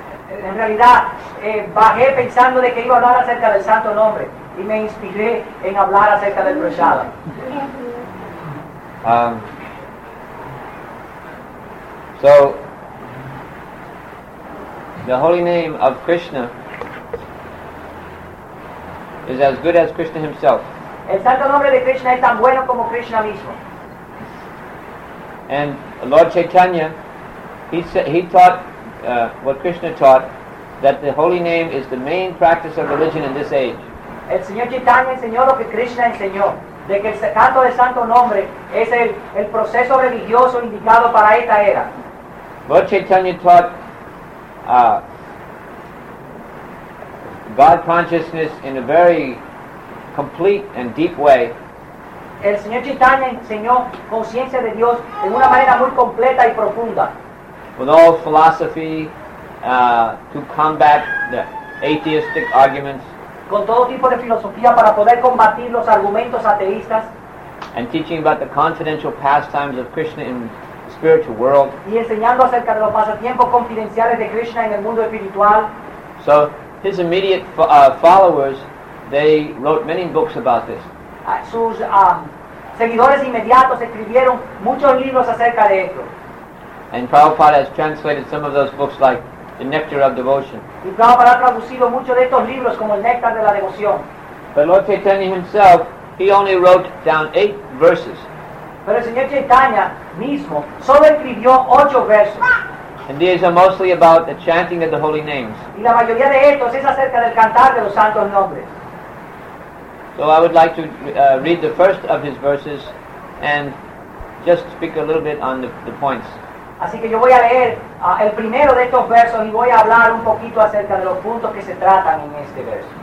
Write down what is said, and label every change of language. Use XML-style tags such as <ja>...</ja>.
<es>En realidad, bajé pensando de que iba a hablar acerca del santo nombre y me inspiré en hablar acerca del prasadam.</es> <en>So, the holy name of Krishna is as good as Krishna himself.</en> <es>El santo nombre de Krishna es tan bueno como Krishna mismo.</es> <en>And Lord Chaitanya, he taught what Krishna taught, that the holy name is the main practice of religion in this age.</en> <es>El Señor Chaitanya enseñó lo que Krishna enseñó, de que el canto del santo nombre es el proceso religioso indicado para esta era.</es> <en>Lord Chaitanya taught God consciousness in a very complete and deep way.</en> <es>El Señor Chaitanya enseñó conciencia de Dios en una manera muy completa y profunda.</es> <en>With all philosophy to combat the atheistic arguments.</en> <es>Con todo tipo de filosofía para poder combatir los argumentos ateístas.</es> <en>And teaching about the confidential pastimes of Krishna in the spiritual world.</en> <es>Y enseñando acerca de los pasatiempos confidenciales de Krishna en el mundo espiritual.</es> <en>So his immediate followers, they wrote many books about this.</en> <es>Sus seguidores inmediatos escribieron muchos libros acerca de esto.</es> <en>And Prabhupada has translated some of those books like The Nectar of Devotion.</en> <es>Y Prabhupada ha traducido muchos de estos libros como El Néctar de la Devoción.</es> <en>But Lord Chaitanya himself, he only wrote down 8 verses.</en> <es>Pero el Señor Chaitanya mismo solo escribió 8 versos.</es> <en>And these are mostly about the chanting of the holy names.</en> <es>Y la mayoría de estos es acerca del cantar de los santos nombres.</es> <en>So I would like to read the first of his verses and just speak a little bit on the points.</en> <es>Así que yo voy a leer el primero de estos versos y voy a hablar un poquito acerca de los puntos que se tratan en este verso.</es>